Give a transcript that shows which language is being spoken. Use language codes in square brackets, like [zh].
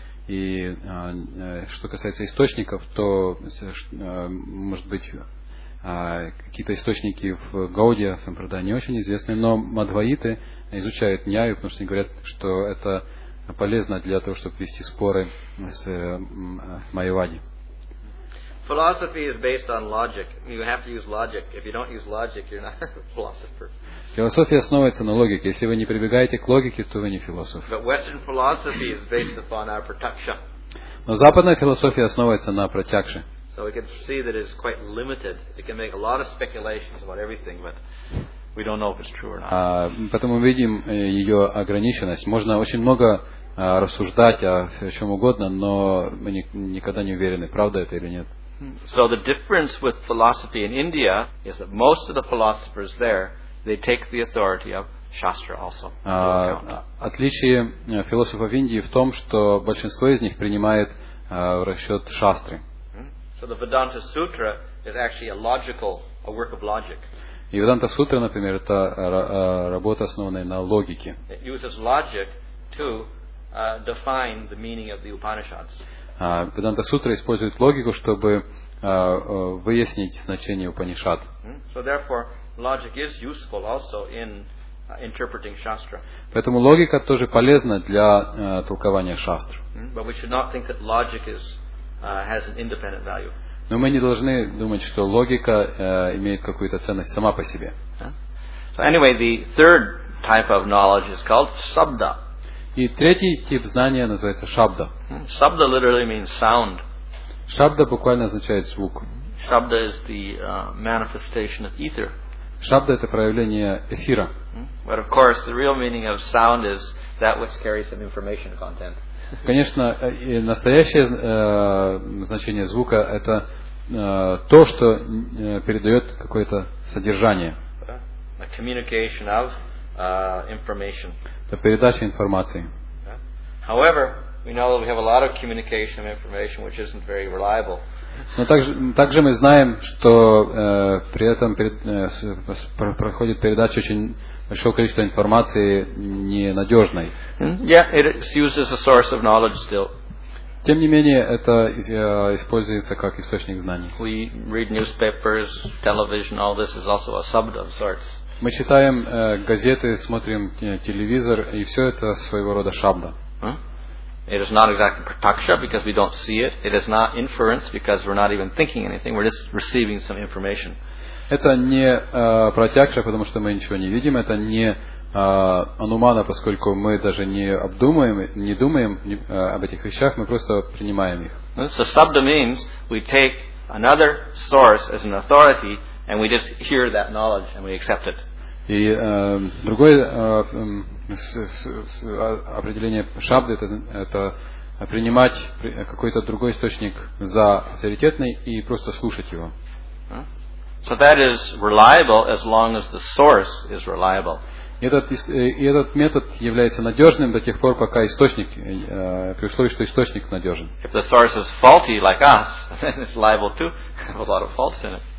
[ru] И что касается источников, то может быть какие-то источники в Гаудия Сампрадая не очень известны, но мадваиты изучают Ньяю, потому что они говорят, что это полезно для того, чтобы вести споры с Майявади. [en] Philosophy is based on logic. You have to use logic. If you don't use logic, you're not a philosopher. [ru] Философия основывается на логике. Если вы не прибегаете к логике, то вы не философ. [en] But Western philosophy is based upon our pratyaksha. [ru] Но западная философия основывается на pratyaksha. [en] So we can see that it's quite limited. It can make a lot of speculations about everything, but we don't know if it's true or not. [ru] Поэтому мы видим ее ограниченность. Можно очень много рассуждать о чем угодно, но мы никогда не уверены, правда это или нет. [en] So the difference with philosophy in India is that most of the philosophers there, they take the authority of Shastra also. [ru] Отличие философов Индии в том, что большинство из них принимает в расчет Шастры. [en] So the Vedanta Sutra is actually a work of logic. [ru] И Веданта Сутра, например, это работа, основанная на логике. [en] It uses logic to define the meaning of the Upanishads. [ru] Веданта Сутра использует логику, чтобы выяснить значение Упанишад. [en] So therefore, logic is useful also in interpreting Shastra. [ru] Поэтому логика тоже полезна для толкования Шастр. [en] But we should not think that logic is has an independent value. [ru] Но мы не должны думать, что логика имеет какую-то ценность сама по себе. [en] So anyway, the third type of knowledge is called Sabda. [ru] И третий тип знания называется шабда. [en] Шабда literally means sound. [ru] Шабда буквально означает звук. [en] Шабда is the manifestation of ether. [ru] Шабда это проявление эфира. [en] But of course, the real meaning of sound is that which carries some information content. [ru] Конечно, настоящее значение звука это то, что передает какое-то содержание. [en] A communication of information. [ru] Это передача информации. [en] However, we know that we have a lot of communication of information which isn't very reliable. [ru] Но также мы знаем, что при этом проходит передача очень большого количества информации ненадежной. [en] Yeah, it uses a source of knowledge still. [ru] Тем не менее, это используется как источник знаний. [en] We read newspapers, television, all this is also a sabda of sorts. [ru] Мы читаем газеты, смотрим телевизор, и все это своего рода шабда. [en] It is not exactly pratyaksha because we don't see it. It is not inference because we're not even thinking anything. We're just receiving some information. [ru] Это не пратьякша, потому что мы ничего не видим. Это не анумана, поскольку мы даже не обдумываем, не думаем об этих вещах. Мы просто принимаем их. [en] So sabda means we take another source as an authority and we just hear that knowledge and we accept it. [ru] И другое определение шабды это принимать какой-то другой источник за авторитетный и просто слушать его. [en] So that is reliable as long as the source is reliable. [ru] Этот метод является надежным до тех пор, пока источник при условии, что источник надежен. [en] If the source is faulty like us, then it's liable to have a lot of faults in it.